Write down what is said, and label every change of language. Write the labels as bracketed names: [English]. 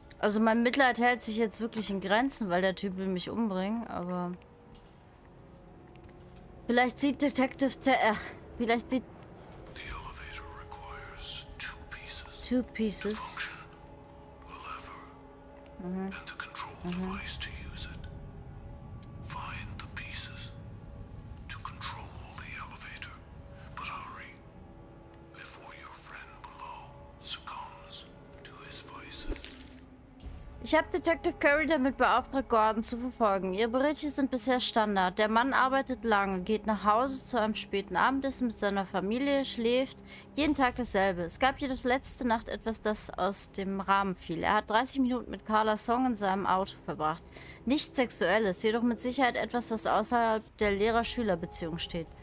[German] Also mein Mitleid hält sich jetzt wirklich in Grenzen, weil der Typ will mich umbringen, aber... Vielleicht sieht Detective Ach, vielleicht sieht... [English] The elevator requires two pieces. The function, the lever, and the control device to use it. Find the pieces to control the elevator. But hurry, before your friend below succumbs to his vices. [German] Ich habe Detective Curry damit beauftragt, Gordon zu verfolgen. Ihre Berichte sind bisher Standard. Der Mann arbeitet lange, geht nach Hause zu einem späten Abendessen mit seiner Familie, schläft jeden Tag dasselbe. Es gab jedoch letzte Nacht etwas, das aus dem Rahmen fiel. Er hat 30 Minuten mit Carla Song in seinem Auto verbracht. Nichts Sexuelles, jedoch mit Sicherheit etwas, was außerhalb der Lehrer-Schüler-Beziehung steht.